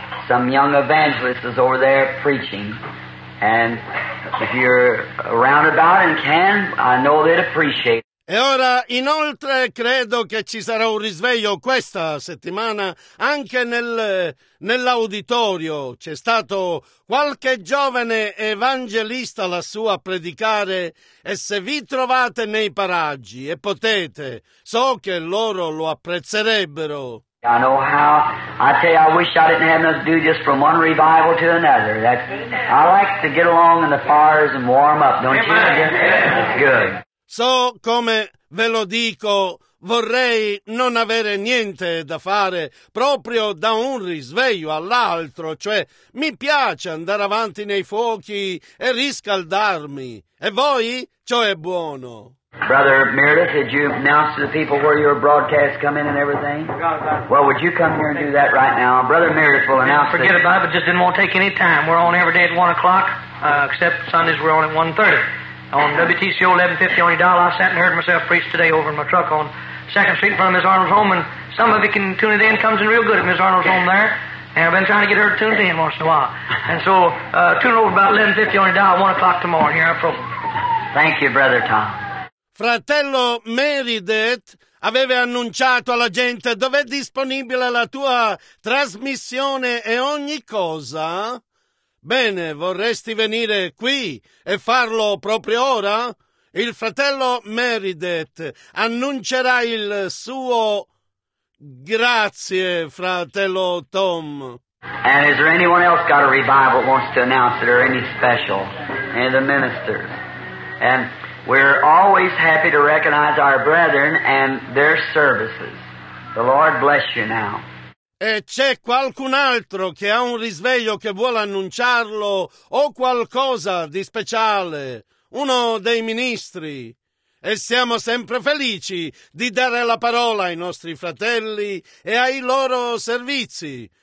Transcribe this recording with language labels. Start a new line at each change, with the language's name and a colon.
English: Some young evangelist is over there preaching. And if you're around about and can, I know they'd appreciate it.
Italian: E ora, inoltre, credo che ci sarà un risveglio questa settimana anche nell'auditorio. C'è stato qualche giovane evangelista lassù a predicare e se vi trovate nei paraggi e potete, so che loro lo apprezzerebbero.
English: I know how. I tell you, I wish I didn't have enough to do just from one revival to another. I like to get along in the fires and warm up, don't you? That's good.
Italian: So, come ve lo dico, vorrei non avere niente da fare proprio da un risveglio all'altro, cioè mi piace andare avanti nei fuochi e riscaldarmi. E voi? Ciò è buono.
English: Brother Meredith, did you announce to the people where your broadcast come in and everything? Well, would you come here and do that right now? Brother Meredith will announce. Forget about it, but just didn't want to take any time. We're on every day at 1 o'clock, except Sundays we're on at 1:30. On WTCO 1150 on your dial, I sat and heard myself preach today over in my truck on 2nd Street in front of Ms. Arnold's home, and some of you can tune it in. Comes in real good at Ms. Arnold's home there, and I've been trying to get her tuned in once in a while. And so tune over about 1150 on your dial, 1 o'clock tomorrow, and here I'm from. Thank you, Brother Tom.
Italian: Fratello Meredith aveva annunciato alla gente dove è disponibile la tua trasmissione e ogni cosa. Bene, vorresti venire qui e farlo proprio ora? Il fratello Meredith annuncerà il suo... Grazie, fratello Tom.
English: And is there anyone else got a revival that wants to announce it, or any special? Any of the ministers? And we're always happy to recognize our brethren and their services. The Lord bless you now.
Italian: E c'è qualcun altro che ha un risveglio che vuole annunciarlo o qualcosa di speciale? Uno dei ministri. E siamo sempre felici di dare la parola ai nostri fratelli e ai loro servizi.